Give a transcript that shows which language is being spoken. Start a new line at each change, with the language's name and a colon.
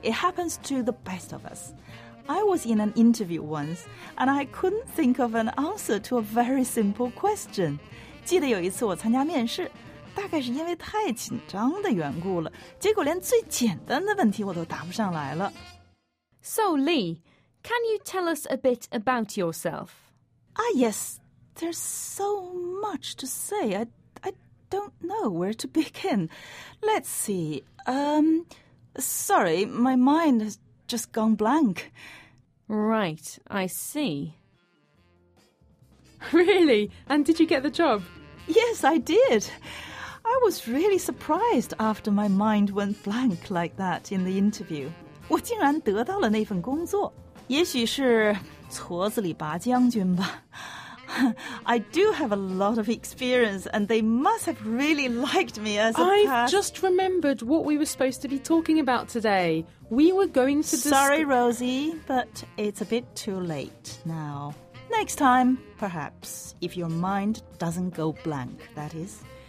English: It happens to the best of us. I was in an interview once, and I couldn't think of an answer to a very simple question.
Chinese: 记得有一次我参加面试，大概是因为太紧张的缘故了，结果连最简单的问题我都答不上来了。
English: So, Lee, can you tell us a bit about yourself? Ah, yes. There's so much to say. I don't know where to begin. Let's see. Sorry, my mind has... just gone blank. Right, I see. Really? And did you get the job? Yes, I did. I was really surprised after my mind went blank like that in the interview.
Chinese: 我竟然得到了那份工作。也许是矬子里拔将军吧。
English: I do have a lot of experience and they must have really liked me as a just remembered what we were supposed to be talking about today. We were going to Sorry, Rosie, but it's a bit too late now. Next time, perhaps, if your mind doesn't go blank, that is.